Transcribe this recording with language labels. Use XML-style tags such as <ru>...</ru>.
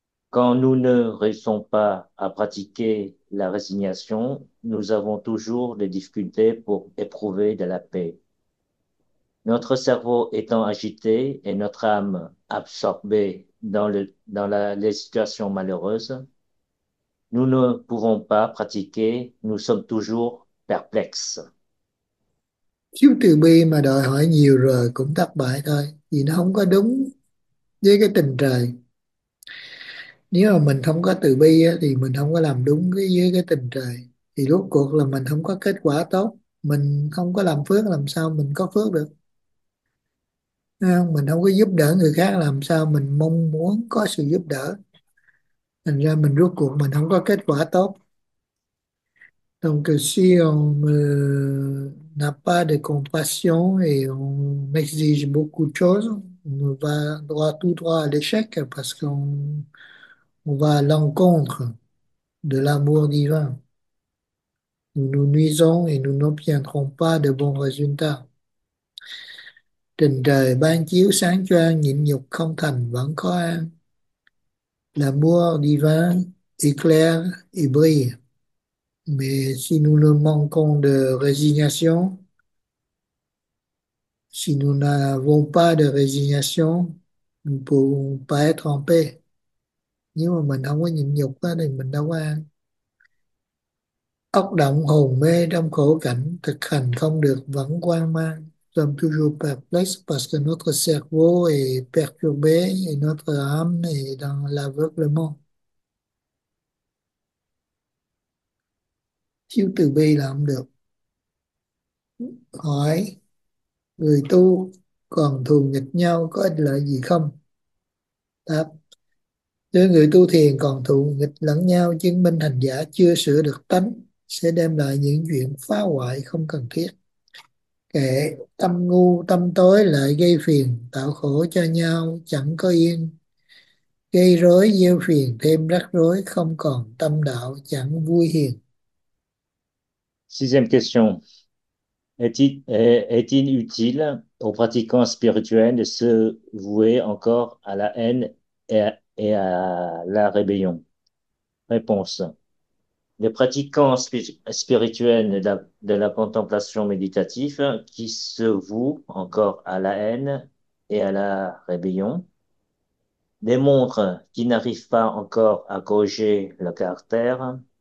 <fr>Quand nous ne réussissons pas à pratiquer la résignation, nous avons toujours des difficultés pour éprouver de la paix. Notre cerveau étant agité et notre âme absorbée les situations malheureuses, nous ne pouvons pas pratiquer, nous sommes toujours perplexes.</fr> <vi>Thiếu từ bi mà đòi hỏi nhiều rồi cũng thất bại thôi, vì nó không có đúng với cái tình trời. Nếu mà mình không có từ bi á, thì mình không có làm đúng với cái tình trời, thì rốt cuộc là mình không có kết quả tốt, mình không có làm phước, làm sao mình có phước được, đúng không? Mình không có giúp đỡ người khác, làm sao mình mong muốn có sự giúp đỡ, thành ra mình rốt cuộc mình không có kết quả tốt.</vi> <fr>Donc si on n'a pas de compassion et on exige beaucoup de choses, on va droit tout droit à l'échec parce qu'on va à l'encontre de l'amour divin. Nous nous nuisons et nous n'obtiendrons pas de bons résultats.</fr> <vi>Tình trời ban chiếu sáng choang, nhịn nhục không thành vẫn có an.</vi> <fr>L'amour divin éclaire et brille. Mais si nous nous manquons de résignation, si nous n'avons pas de résignation, nous ne pouvons pas être en paix.</fr> <vi>Nếu mà mình không có nhịn nhục đó, thì mình đâu có an. Óc động hồn mê trong khổ cảnh, thực hành không được vẫn hoang mang.</vi> <fr>Sommes toujours perplexes parce que notre cerveau est perturbé et notre âme est dans l'aveuglement.</fr> <vi>Chiếu từ bi là không được. Hỏi người tu còn thù nghịch nhau có ích lợi gì không? Đáp: nếu người tu thiền còn thù nghịch lẫn nhau, chứng minh hành giả chưa sửa được tánh, sẽ đem lại những chuyện phá hoại không cần thiết. Kệ tâm ngu tâm tối lại gây phiền, tạo khổ cho nhau chẳng có yên. Gây rối gieo phiền thêm rắc rối, không còn tâm đạo chẳng vui hiền.</vi> <fr>Sixième question. Est-il utile aux pratiquants spirituels de se vouer encore à la haine et à la rébellion? Réponse. Les pratiquants spirituels de la contemplation méditative qui se vouent encore à la haine et à la rébellion démontrent qu'ils n'arrivent pas encore à corriger le caractère.</fr>